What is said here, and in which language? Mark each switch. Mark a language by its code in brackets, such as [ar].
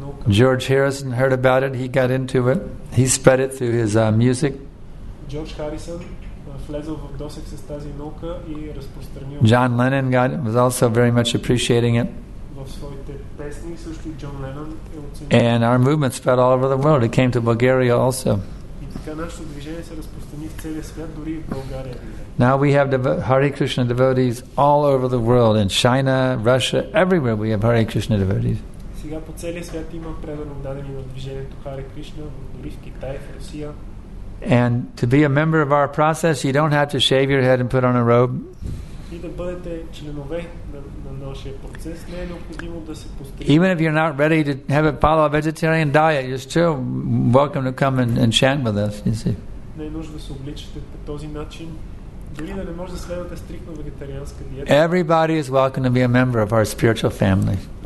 [en] George Harrison heard about it. He got into it. He spread it through his music. [bg] George Harrison влезъл в досек с тази наука и разпространил. [en] John Lennon got it, was also very much appreciating it. [bg] В своите песни също John Lennon е оценил. [en] And our movement spread all over the world. It came to Bulgaria also. [bg] И така нашето движение се разпространи в целия свят, дори в България. [en] Now we have Hare Krishna devotees all over the world, in China, Russia, everywhere we have Hare Krishna devotees. [bg] Сега по целия свят има предано дадени на движението Hare Krishna, дори в Китай, в Русия. [en] And to be a member of our process, you don't have to shave your head and put on a robe. [bg] да бъдете членове на нашия процес, не е необходимо да се постригате. [en] Even if you're not ready to have a paleo vegetarian diet, you're still welcome to come and chant with us, you see. [bg] Не е нужно да се обличате по този начин. [en] Everybody is welcome to be a member of our spiritual family.